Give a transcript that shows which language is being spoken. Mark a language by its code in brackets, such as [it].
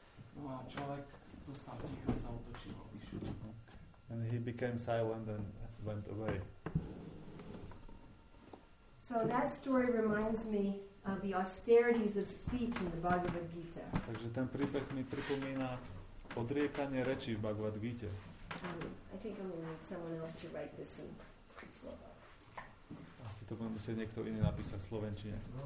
[sk] No a človek zostal ticho, sa otočil a vyšiel. [en] And he became silent and went away. So that story reminds me of the austerities of speech in the Bhagavad Gita. [sk] Takže ten príbeh mi pripomína odriekanie reči v Bhagavad Gita. [en] I think I'm going to need someone else to write this in Slovenčine. [sk] Asi to bude musieť niekto iný napísať v slovenčine.